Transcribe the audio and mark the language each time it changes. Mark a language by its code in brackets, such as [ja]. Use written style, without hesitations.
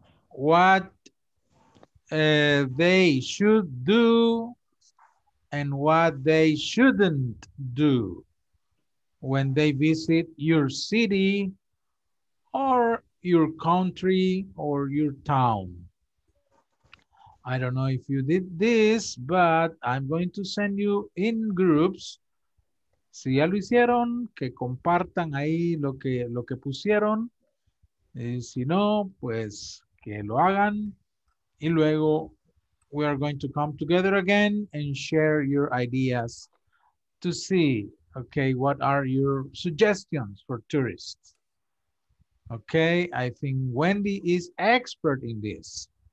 [en] What they should do and what they shouldn't do when they visit your city or your country or your town. I don't know if you did this, but I'm going to send you in groups. [es] Si ya lo hicieron, que compartan ahí lo que pusieron. Y si no, pues que lo hagan. Y luego [en] we are going to come together again and share your ideas to see, okay, what are your suggestions for tourists. Okay, I think Wendy is expert in this.